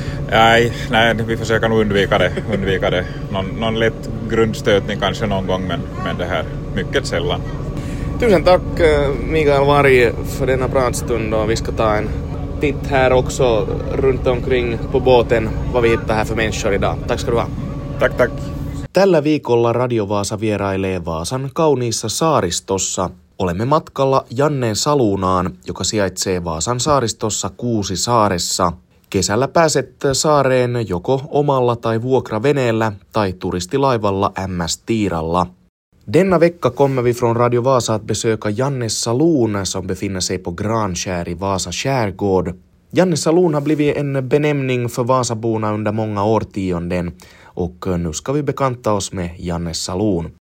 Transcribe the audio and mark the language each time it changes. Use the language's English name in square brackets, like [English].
[Swedish] Nej, vi försöker nog undvika det. Någon lätt grundstötning kanske någon gång, men det här mycket sällan. Tusen tack Mikael Varg för denna pratstund, och vi ska ta en titt här också runt omkring på båten, vad vi hittar här för människor idag. Tack ska du ha. Tack. [Finnish] Tällä viikolla Radio Vaasa vierailee Vaasan kauniissa saaristossa. Olemme matkalla Janneen Saluunaan, joka sijaitsee Vaasan saaristossa Kuusi saaressa. Kesällä pääset saareen joko omalla tai vuokraveneellä tai turistilaivalla MS Tiiralla. [Swedish] Denna vecka kommer vi från Radio Vaasa att besöka Janne Saloon som befinner sig på Granskär i Vaasa skärgård. Janne Saloon har blivit en benämning för vaasaborna under många årtionden, och nu ska vi bekanta oss med Janne Saloon.